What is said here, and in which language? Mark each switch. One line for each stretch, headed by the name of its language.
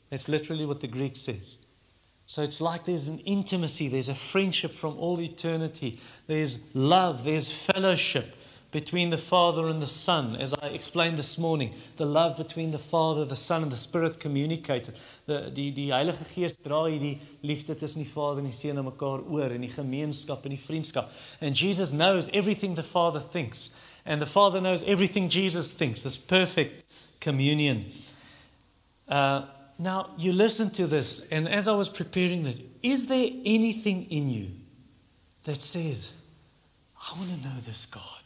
English: That's literally what the Greek says. So it's like there's an intimacy, there's a friendship from all eternity. There's love, there's fellowship between the Father and the Son. As I explained this morning, the love between the Father, the Son, and the Spirit communicated.
Afrikaans: Die Heilige Gees dra hierdie liefde tussen die Vader en die Seun mekaar oor, en die gemeenskap en die vriendskap.
English: And Jesus knows everything the Father thinks. And the Father knows everything Jesus thinks. This perfect communion. Now, you listen to this, and as I was preparing that, is there anything in you that says, I want to know this God.